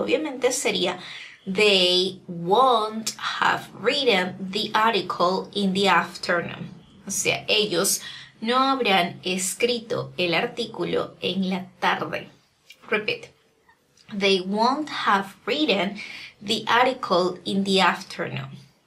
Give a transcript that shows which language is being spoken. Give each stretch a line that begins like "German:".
Spanish: Obviamente sería,
English: they won't have written the article in the afternoon.
Spanish: O sea, ellos no habrán escrito el artículo en la tarde.
English: Repeat. They won't have written the article in the afternoon.